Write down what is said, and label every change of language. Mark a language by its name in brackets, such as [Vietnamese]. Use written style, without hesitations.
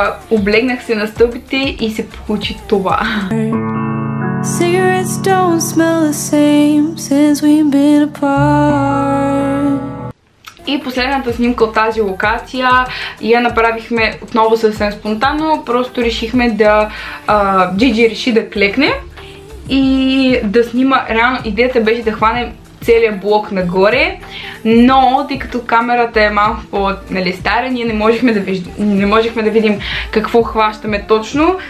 [Bulgarian] Облегнах се на стълбите и се получи това. [English] Cigarettes don't smell the same since we've been apart. [Bulgarian] И последната снимка от тази локация я направихме отново съвсем спонтанно, просто решихме да Джиджи реши да клекне и да снима. Реално идеята беше да хванем целият блок нагоре, но тъй като камерата е малко по, нали, стара, ние не можехме да видим какво хващаме точно.